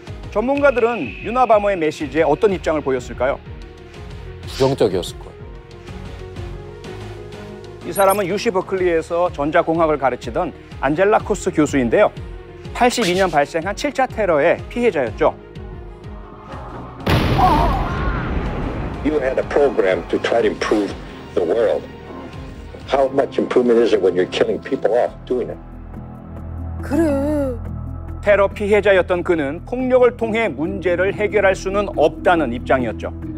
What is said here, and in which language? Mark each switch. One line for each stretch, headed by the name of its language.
Korean: 전문가들은 유나 바머의 메시지에 어떤 입장을 보였을까요? 부정적이었을 거예요. 이 사람은 UC 버클리에서 전자공학을 가르치던 안젤라 코스 교수인데요. 82년 발생한 7차 테러의 피해자였죠.
English: You had a program to try to improve the world. How much improvement is it when you're killing people off doing it?
Korean: 그래. 테러 피해자였던 그는 폭력을 통해 문제를 해결할 수는 없다는 입장이었죠.